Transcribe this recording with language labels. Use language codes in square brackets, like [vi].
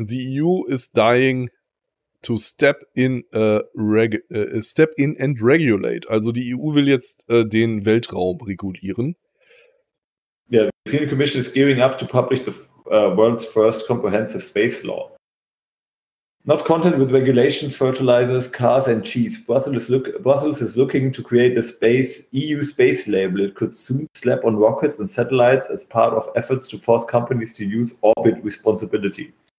[en] The EU is dying to step in and regulate. [de] Also die EU will jetzt den Weltraum regulieren. [en] Ja, yeah, the European Commission is gearing up to publish the world's first comprehensive space law. Not content with regulation, fertilizers, cars and cheese. Brussels is looking to create the space EU space label. It could soon slap on rockets and satellites as part of efforts to force companies to use orbit responsibility.